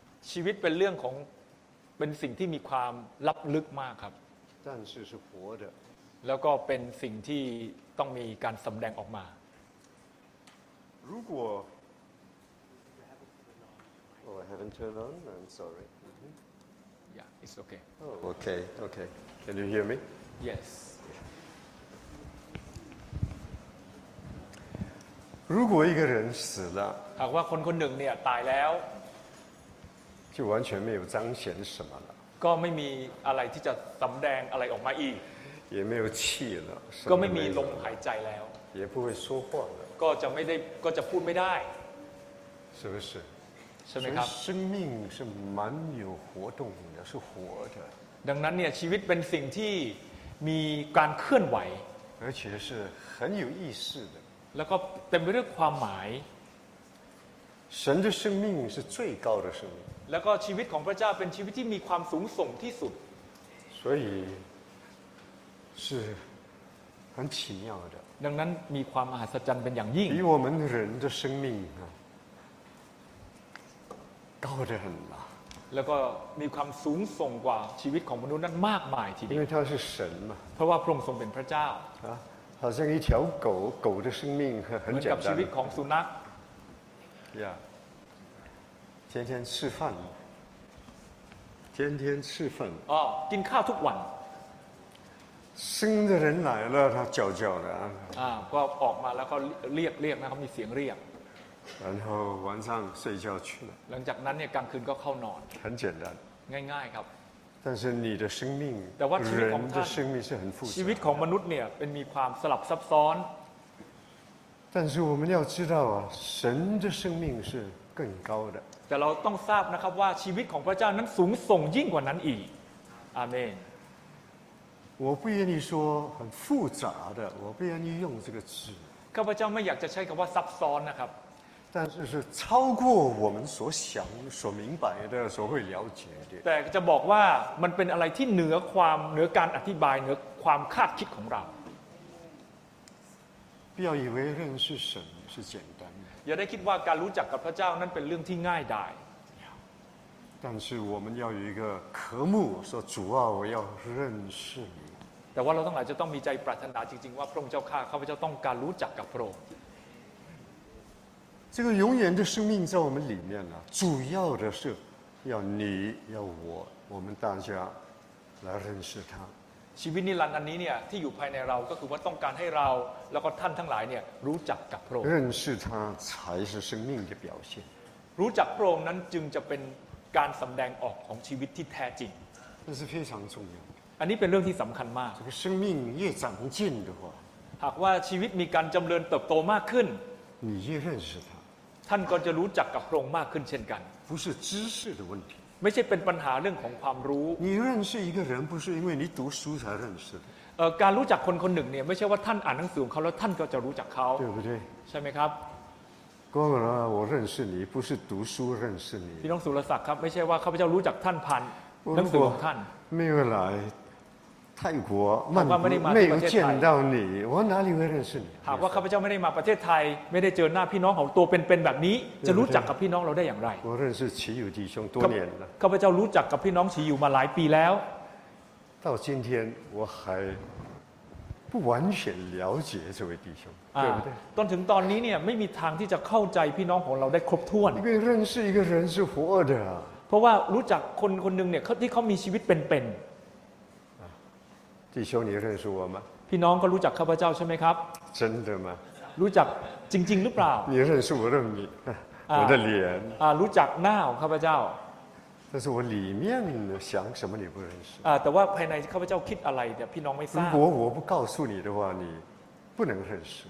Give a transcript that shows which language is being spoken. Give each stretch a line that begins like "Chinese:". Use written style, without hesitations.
Thai: ชีวิตเป็นเรื่องของเป็นสิ่งที่มีความลับลึกมากครับ
Chinese: 但是是活的
Thai: แล้วก็เป็นสิ่งที่ต้องมีการสำแดงออกมา
English: 如果 Oh I haven't turned on I'm sorry Yeah it's okay Oh okay okay Can you hear me Yes
Thai: รู้ว่า
Chinese: 一个人死了
Thai: หากว่าคนคนหนึ่งเนี่ยตายแล้ว
Chinese: 就完全没有彰显什么了
Thai: ก็ไม่มีอะไรที่จะสำแดงอะไรออกมาอีก
Chinese: 也没有气了
Thai: ก็ไม่มีลมหายใจแล้ว
Chinese: 也不会说话了
Thai: ก็จะไม่ได้ก็จะพูดไม่ได้
Chinese: 是不是
Thai: ใช่มั้ยครับ
Chinese: 生命是蛮有活动的是活的
Thai: ดังนั้นเนี่ยชีวิตเป็นสิ่งที่มีการเคลื่อนไหว
Chinese: 而且是很有意思的
Thai: แล้วก็เต็มไปด้วยความหมาย
Chinese: 神的生命是最高的生命
Thai: แล้วก็ชีวิตของพระเจ้าเป็นชีวิตที่มีความสูงส่งที่สุด
Chinese: 所以是很奇妙的
Thai: ดังนั้นมีความมหัศจรรย์เป็นอย่างยิ่ง
Chinese: 比我们人的生命啊高得很啊
Thai: แล้วก็มีความสูงส่งกว่าชีวิตของมนุษย์นั้นมากมายทีเดีย ว
Chinese: 因为他是神嘛
Thai: เพราะว่าพระองค์ทรงเป็นพระเจ้า
Chinese: 好像一条狗狗的生命很简单 เหมือ
Thai: นกับชีวิตของสุนัข
Chinese: yeah天天吃饭天天吃饭
Thai: 哦กินข้าวทุกวัน
Chinese: 新的人来了他叫叫的
Thai: ก็ออกมาแล้วก็เรียกนะเขามีเสียงเรียก
Chinese: 然后晚上睡觉去了
Thai: หลังจากนั้นเนี่ยกลางคืนก็เข้านอน
Chinese: 很简单
Thai: ง่ายๆครับ
Chinese: 但是你的生命
Thai: แต่ว่าชีวิตของ ท่านชีวิตของ ชีวิตของมนุษย์เนี่ยเป็นมีความสลับซับซ้อน
Chinese: 但是我们要知道啊神的生命是更高的
Thai: แต่เราต้องทราบนะครับว่าชีวิตของพระเจ้านั้นสูงส่งยิ่งกว่านั้นอีกอาเมน
Chinese: 我不愿意说很复杂的我不愿意用这个字
Thai: ข้าพเจ้าไม่อยากจะใช้คําว่าซับซ้อนนะครับ
Chinese: 但是是超过我们所想所明白的所会了解的
Thai: แต่จะบอกว่ามันเป็นอะไรที่เหนือความเหนือการอธิบายเหนือความคาดคิดของเรา
Chinese: 不要以为认识神是简单的
Thai: อย่าได้คิดว่าการรู้จักกับพระเจ้านั้นเป็นเรื่องที่ง่ายดาย
Chinese: 但是我们要有一个渴慕说主啊我要认识你
Thai: แต่ว่าเราต้องหลายจะต้องมีใจปรารถนาจริงๆว่าพระองค์เจ้าข้าข้าพเจ้าต้องการรู้จักกับพระองค์
Chinese: 这个永远的生命在我们里面呢主要的是要你要我我们大家来认识他
Thai: ชีวิตนิรันดร์อันนี้เนี่ยที่อยู่ภายในเราก็คือว่าต้องการให้เราแล้วก็ท่านทั้งหลายเนี่ยรู้จักกับพระองค์
Chinese: 认识他才是生命的表现
Thai: รู้จักพระองค์นั้นจึงจะเป็นการสำแดงออกของชีวิตที่แท้จริง
Chinese: 这是非常重要
Thai: อันนี้เป็นเรื่องที่สำคัญมาก
Chinese: 这个生命越长进的话
Thai: หากว่าชีวิตมีการจำเริญเติบโตมากขึ้น
Chinese: 你越认识他
Thai: ท่านก็จะรู้จักกับพระองค์มากขึ้นเช่นกัน
Chinese: 不是知识的问题
Thai: ไม่ใช่เป็นปัญหาเรื่องของความรู้
Chinese: 你认识一个人不是因为你读书才认识的
Thai: การรู้จักคนคนหนึ่งเนี่ยไม่ใช่ว่าท่านอ่านหนังสือของเขาแล้วท่านก็จะรู้จักเขา
Chinese: 对不对
Thai: ใช่ไหมครับ ก็เหรอ
Chinese: 我认识你不是读书认识你
Thai: พี่น้องสุรศักดิ์ครับไม่ใช่ว่าข้าพเจ้ารู้จักท่านผ่านหนังสือของท่าน ไม่เวลา
Chinese: 泰国曼谷没有见到你我哪里会认识你
Thai: หากว่าข้าพเจ้าไม่ได้มาประเทศไทยไม่ได้เจอหน้าพี่น้องของตัวเป็นๆแบบนี้จะรู้จักกับพี่น้องเราได้อย่างไร
Chinese: 我认识齐友弟兄多年了
Thai: ข้าพเจ้ารู้จักกับพี่น้อง齐友มาหลายปีแล้ว
Chinese: 到今天我还不完全了解这位弟兄对不对
Thai: จนถึงตอนนี้เนี่ยไม่มีทางที่จะเข้าใจพี่น้องของเราได้ครบถ้วน
Chinese: 因为认识一个人是活的
Thai: เพราะว่ารู้จักคนคนนึงเนี่ยที่เขามีชีวิตเป็นๆ
Chinese: 弟兄你认识我吗
Thai: พี่น้องก็รู้จักข้าพเจ้าใช่ไหมครับ
Chinese: 真的吗
Thai: รู้จักจริงๆหรือเปล่า
Chinese: 你认识我的你我的脸
Thai: รู้จักหน้าของข้าพเจ้า
Chinese: 但是我里面想什么你不认识
Thai: แต่ว่าภายในข้าพเจ้าคิดอะไรเนี่ยพี่น้องไม่ทราบ
Chinese: 如果我不告诉你的话你不能认识